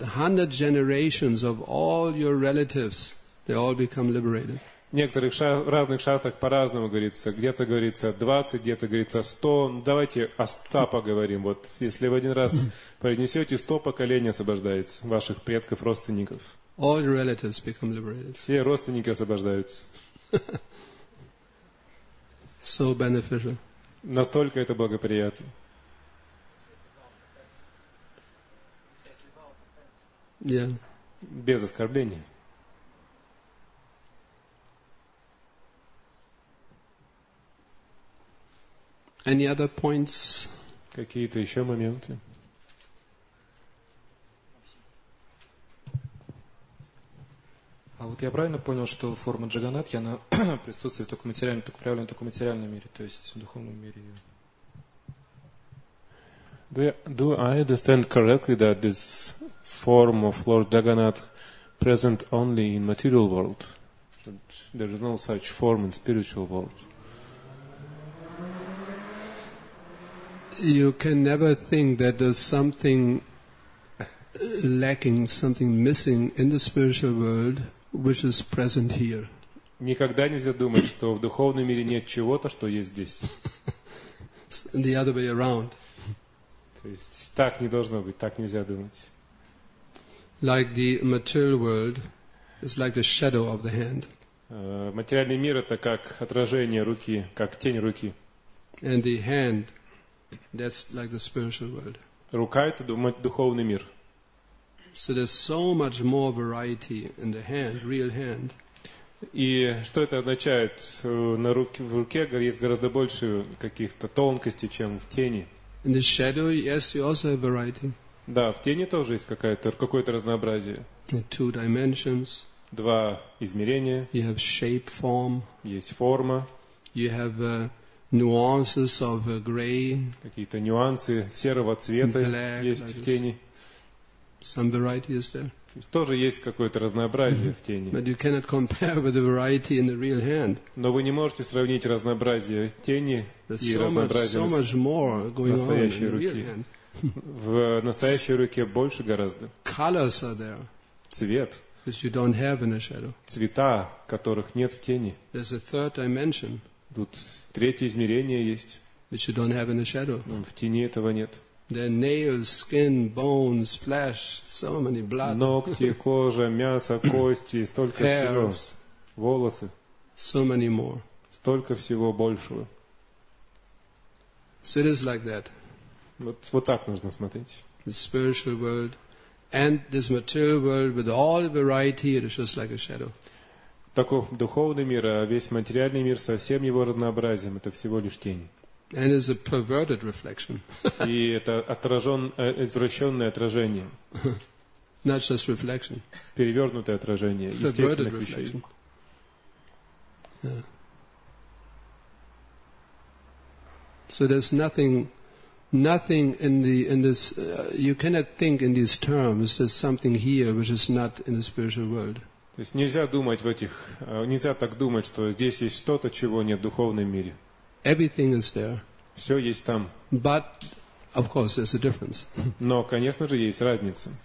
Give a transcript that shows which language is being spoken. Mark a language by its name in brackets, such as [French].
[English] 100 generations of all your relatives, they all become liberated. [Russian] В некоторых разных шастрах по-разному говорится. Где-то говорится 20, где-то говорится 100. Давайте о 100 поговорим. Вот если вы один раз произнесете, 100 поколений освобождается ваших предков, родственников. [English] All your relatives become liberated. [Russian] Все родственники освобождаются. [English] So beneficial. [Russian] Настолько это благоприятно. [English] Yeah. [Russian] Без оскорбления. [English] Any other points? [Russian] Какие-то еще моменты? А вот я правильно понял, что форма Джаганатхи, она присутствует только материально, только проявлена только в материальном мире, то есть в духовном мире. [English] Do I understand correctly that this form of Lord Jagannath present only in material world? That there is no such form in spiritual world. You can never think that there's something lacking, something missing in the spiritual world which is present here. [Russian] Никогда нельзя думать, что в духовном мире нет чего-то, что есть здесь. [English] The other way around. [Russian] То есть так не должно быть, так нельзя думать. [English] Like the material world is like the shadow of the hand. [Russian] Материальный мир это как отражение руки, как тень руки. [English] And the hand, that's like the spiritual world. [Russian] Рука – это духовный мир. [English] So there's so much more variety in the hand, real hand. [Russian] И что это означает? В руке есть гораздо больше каких-то тонкостей, чем в тени. [English] In the shadow, yes, you also have variety. [Russian] Да, в тени тоже есть какое-то разнообразие. [English] Two dimensions. [Russian] Два измерения. [English] You have shape, form. [Russian] Есть форма. [English] You have nuances of gray. [Russian] Какие-то нюансы серого цвета есть в тени. [English] Some variety is there. [Russian] Тоже есть какое-то разнообразие в тени. [English] But you cannot compare with the variety in the real hand. [Russian] Но вы не можете сравнить разнообразие тени и разнообразие в настоящей руке. В настоящей руке больше гораздо. [English] Colors are there. [Russian] Цвет. [English] Which you don't have in the shadow. [Russian] Цвета, которых нет в тени. [English] There's a third dimension. [Russian] Тут третье измерение есть. [English] Which you don't have in the shadow. [Russian] В тени этого нет. [English] Their nails, skin, bones, flesh, so many blood. [Russian] Ногти, кожа, мясо, кости, столько всего. Волосы. [English] So many more. [Russian] Столько всего большего. [English] So it is like that. [Russian] Вот так нужно смотреть. [English] The spiritual world and this material world with all variety, it is just like a shadow. [Russian] Таков духовный мир, а весь материальный мир со всем его разнообразием, это всего лишь тень. [English] And is a perverted reflection. [Russian] И это извращенное отражение. [English] Not just reflection. [Russian] Перевернутое отражение. [English] Perverted reflection. So there's nothing in this. You cannot think in these terms. There's something here which is not in the spiritual world. [Russian] То есть нельзя думать в этих. Нельзя так думать, что здесь есть что-то, чего нет в духовном мире. [English] Everything is there. [Russian] Все есть там. [English] But, of course, there's a difference. [Russian] Но, конечно же, есть разница.